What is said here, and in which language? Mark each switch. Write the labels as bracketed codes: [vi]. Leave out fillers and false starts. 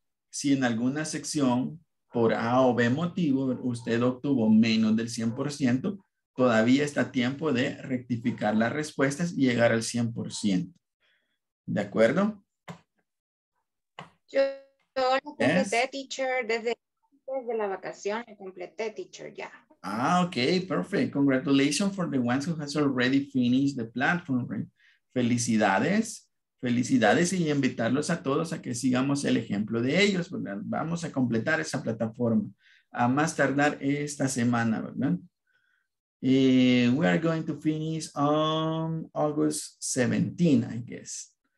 [es] Si en alguna sección, por A o B motivo, usted obtuvo menos del 100%, todavía está tiempo de rectificar las respuestas y llegar al 100%. ¿De acuerdo? Yo la completé, teacher, desde la vacación la completé, teacher, ya. [en] Ah, okay, perfect. Congratulations for the ones who has already finished the platform. [es] Felicidades, felicidades y invitarlos a todos a que sigamos el ejemplo de ellos, ¿verdad? Vamos a completar esa plataforma a más tardar esta semana, ¿verdad? [en] We are going to finish on August 17, I guess.